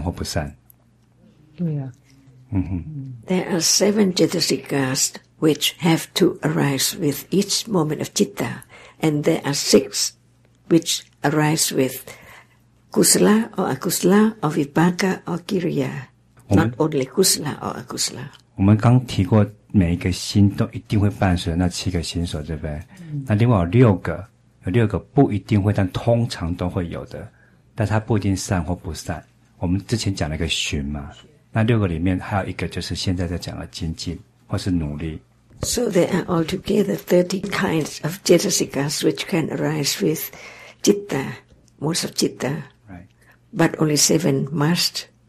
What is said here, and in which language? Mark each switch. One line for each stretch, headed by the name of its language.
Chinese: 好，这个精进呢，又我们多学一个了。它可能是伴随善或不善。对呀。嗯哼。
English: There are seven jetasikas which have to arise with each moment of citta, and there are six which arise with kusala or akusala or vipaka or kriya, not only kusala or akusala.
Chinese: 我们刚提过。每一个心都一定会伴随那七个心所，对不对？那另外有六个，有六个不一定会，但通常都会有的。但它不一定善或不善。我们之前讲了一个循嘛，那六个里面还有一个就是现在在讲的精进或是努力。So
English: there are altogether 30 kinds of jetasikas which can arise with citta, most of citta, but only seven must.